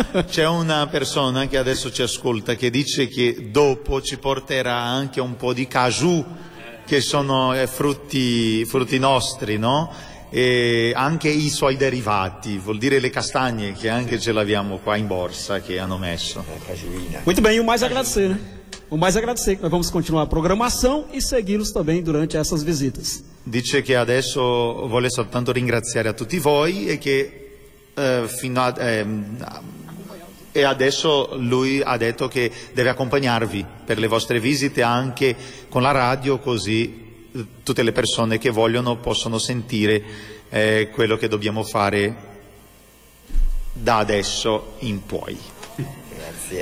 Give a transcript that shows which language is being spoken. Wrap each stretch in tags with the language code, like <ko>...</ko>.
<it>C'è una persona che adesso ci ascolta che dice che dopo ci porterà anche un po' di caju, che sono frutti nostri, no? E anche i suoi derivati, vuol dire le castagne che anche ce l'abbiamo qua in borsa che hanno messo.</it> <pt>Muito bem, o mais agradecer, nós vamos continuar a programação e segui-los também durante essas visitas.</pt> <it>Dice che adesso vuole soltanto ringraziare a tutti voi e che e adesso lui ha detto che deve accompagnarvi per le vostre visite anche con la radio, così tutte le persone che vogliono possono sentire quello che dobbiamo fare da adesso in poi. Grazie.</it>